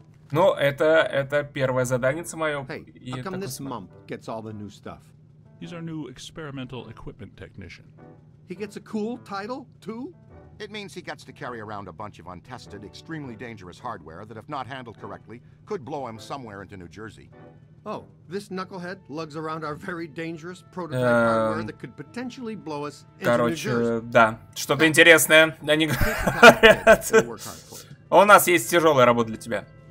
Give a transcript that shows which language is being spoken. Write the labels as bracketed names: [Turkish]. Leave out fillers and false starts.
[Russian] Ну, это первое заданница мое. [English] Hey, how come this mump gets all the new stuff? He's our new experimental equipment technician. He gets a cool title, too? It means he gets to carry around a bunch of untested, extremely dangerous hardware that, if not handled correctly, could blow him somewhere into New Jersey. Oh, this knucklehead lugs around our very dangerous prototype hardware that could potentially blow us into New Jersey. [Russian] Короче, да. Что-то интересное. Они говорят. У нас есть тяжелая работа для тебя.